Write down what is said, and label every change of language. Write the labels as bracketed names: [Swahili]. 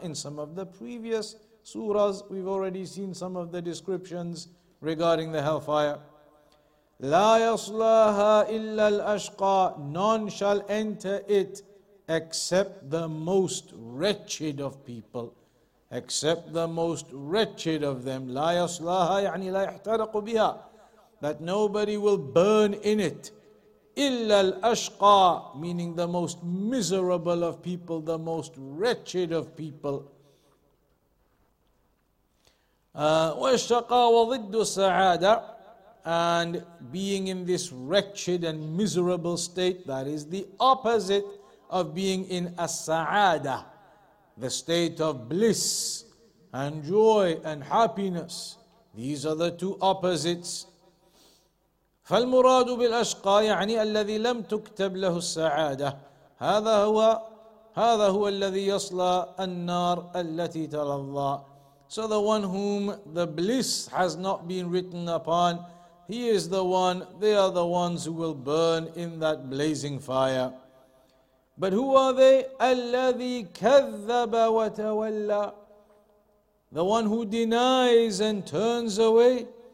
[English] In some of the previous surahs, we've already seen some of the descriptions regarding the hellfire. [Arabic] لَا يَصْلَاهَا إِلَّا الْأَشْقَى. [English] None shall enter it except the most wretched of people. Except the most wretched of them. [Arabic] لا يصلاها يعني لا يحترق بها. [English] That nobody will burn in it. [Arabic] إلا الأشقى, [English] meaning the most miserable of people, the most wretched of people. [Arabic] والشقى وضد السعادة. [English] And being in this wretched and miserable state, that is the opposite of being in as-sa'ada, the state of bliss and joy and happiness. These are the two opposites. [Arabic] فالمراد بالأشقى يعني الذي لم تكتب له السعادة. هذا هو الذي يصلى النار التي تلظى. [English] So the one whom the bliss has not been written upon, he is the one, they are the ones who will burn in that blazing fire. But who are they? [Arabic] الَّذِي كَذَّبَ وَتَوَلَّى. [English] The one who denies and turns away.